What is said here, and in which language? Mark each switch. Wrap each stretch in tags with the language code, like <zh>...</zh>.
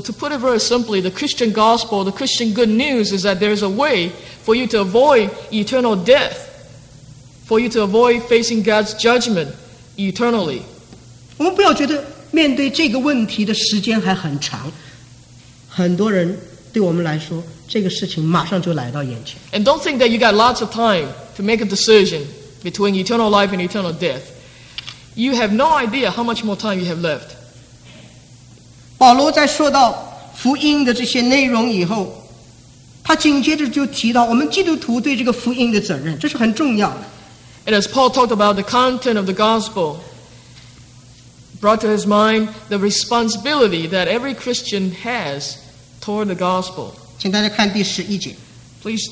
<en>to put it very simply, the Christian gospel, the Christian good news, is that there is a way for you to avoid eternal death, for you to avoid facing God's judgment eternally.</en> <zh>我们不要觉得面对这个问题的时间还很长，很多人对我们来说，这个事情马上就来到眼前。</zh> <en>And don't think that you got lots of time to make a decision. Between eternal life and eternal death, you have no idea how much more time you have left.</en> <zh>保罗在说到福音的这些内容以后，他紧接着就提到我们基督徒对这个福音的责任，这是很重要的。</zh> <en>And as Paul talked about the content of the gospel, brought to his mind the responsibility that every Christian has toward the gospel.</en> <zh>请大家看第十一节。</zh> <en>Please</en>